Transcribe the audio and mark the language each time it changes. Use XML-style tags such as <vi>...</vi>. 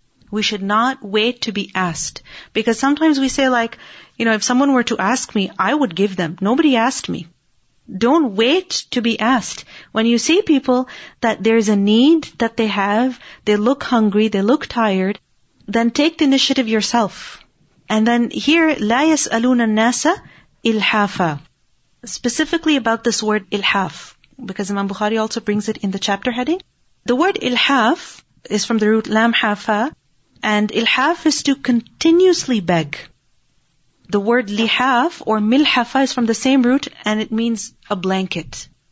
<en>We should not wait to be asked. Because sometimes we say like, you know, if someone were to ask me, I would give them. Nobody asked me. Don't wait to be asked. When you see people that there's a need that they have, they look hungry, they look tired, then take the initiative yourself. And then here,</en> <ar>لا يسألون الناس إلحافا.</ar> <en>Specifically about this word ilhaf, because Imam Bukhari also brings it in the chapter heading. The word ilhaf is from the root lam hafa, and ilhaf is to continuously beg. The word lihaf or milhafa is from the same root, and it means a blanket.</en>